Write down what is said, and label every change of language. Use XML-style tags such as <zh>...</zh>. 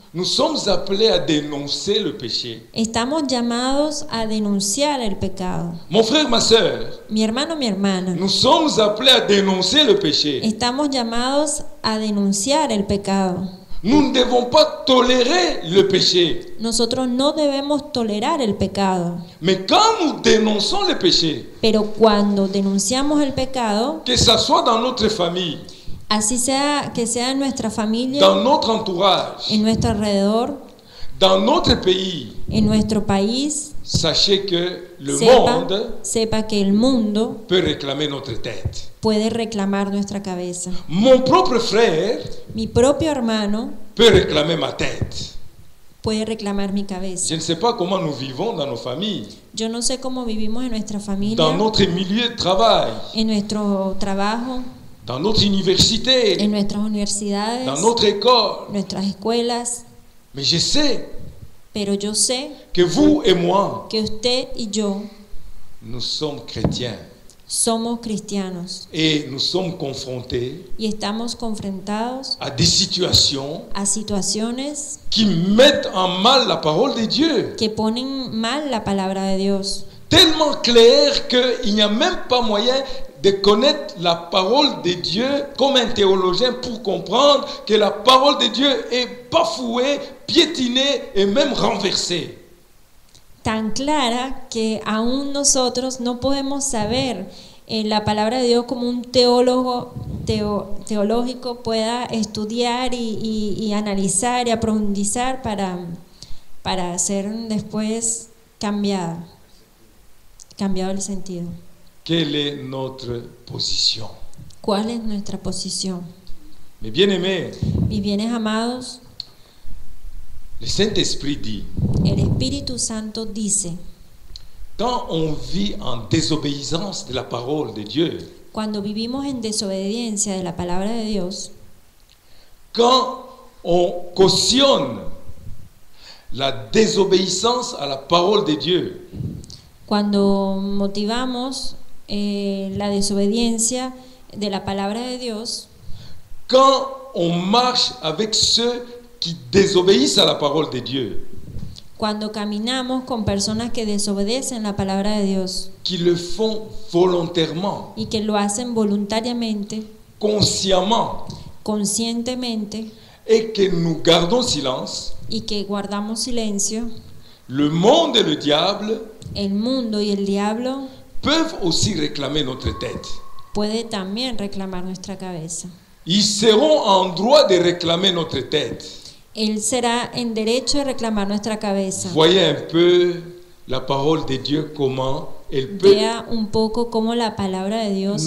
<fr>Nous sommes appelés à dénoncer le péché.</fr> <es>Estamos llamados a denunciar el pecado.</es> <fr>Mon frère, ma sœur,</fr> <es>mi hermano, mi hermana,</es> <fr>nous sommes appelés à dénoncer le péché.</fr> <es>Estamos llamados a denunciar el pecado.</es> <fr>Nous ne devons pas tolérer le péché.</fr> <es>Nosotros no debemos tolerar el pecado.</es> <fr>Mais quand nous dénonçons le péché,</fr> <es>pero cuando denunciamos el pecado,</es> <fr>que ça soit dans notre famille,</fr> <es>así sea, que sea en nuestra familia,</es> <fr>dans notre entourage,</fr> <es>en nuestro alrededor,</es> <fr>dans notre pays,</fr> <es>en nuestro país,</es> <fr>sachez que le monde,</fr> <es>sepa que el mundo</es> <fr>peut réclamer notre tête.</fr> <es>Puede reclamar nuestra cabeza.</es> <fr>Mon propre frère,</fr> <es>mi propio hermano,</es> <fr>peut réclamer ma tête.</fr> <es>Puede reclamar mi cabeza.</es> <fr>Je ne sais pas comment nous vivons dans nos familles.</fr> <es>Yo no sé cómo vivimos en nuestra familia.</es> <fr>Dans notre milieu de travail.</fr> <es>En nuestro trabajo.</es> <fr>Dans notre université.</fr> <es>En nuestras universidades.</es> <fr>Dans notre école.</fr> <es>Nuestras escuelas.</es> <fr>Mais je sais.</fr> <es>Pero yo sé.</es> <fr>Que vous et moi.</fr> <es>Que usted y yo.</es> <fr>Nous sommes chrétiens.</fr> <es>Somos cristianos.</es> <fr>Et nous sommes confrontés.</fr> <es>Y estamos confrontados.</es> <fr>À des situations.</fr> <es>A situaciones.</es> <fr>Qui mettent en mal la parole de Dieu.</fr> <es>Que ponen mal la palabra de Dios.</es> <fr>Tellement clair que il n'y a même pas moyen de connaître la parole de Dieu comme un théologien pour comprendre que la parole de Dieu est bafouée, piétinée et même renversée.</fr> <es>Tan clara que aún nosotros no podemos saber la palabra de Dios como un teólogo teológico pueda estudiar y analizar y profundizar para ser después cambiado el sentido.</es> <fr>Quelle est notre position?</fr> <es>¿Cuál es nuestra posición?</es> <fr>Mes bien-aimés,</fr> <es>mis bienes amados.</es> <fr>Le Saint-Esprit dit.</fr> <es>El Espíritu Santo dice.</es> <fr>Quand on vit en désobéissance de la parole de Dieu.</fr> <es>Cuando vivimos en desobediencia de la palabra de Dios.</es> <fr>Quand on cautionne la désobéissance à la parole de Dieu.</fr> <es>Cuando motivamos la desobediencia de la palabra de Dios.</es> <fr>Quand on marche avec ceux qui désobéissent à la parole de Dieu.</fr> <es>Cuando caminamos con personas que desobedecen la palabra de Dios.</es> <fr>Qui le font volontairement.</fr> <es>Y que lo hacen voluntariamente.</es> <fr>Consciemment.</fr> <es>Conscientemente.</es> <fr>Et que nous gardons silence.</fr> <es>Y que guardamos silencio.</es> <fr>Le monde et le diable.</fr> <es>El mundo y el diablo.</es> <fr>Peuvent aussi réclamer notre tête.</fr> <es>Puede también reclamar nuestra cabeza.</es> <fr>Ils seront en droit de réclamer notre tête.</fr> <es>Él será en derecho de reclamar nuestra cabeza.</es> <fr>Voyez un peu la parole de Dieu comment elle peut.</fr> <es>Vea un poco cómo la palabra de Dios</es>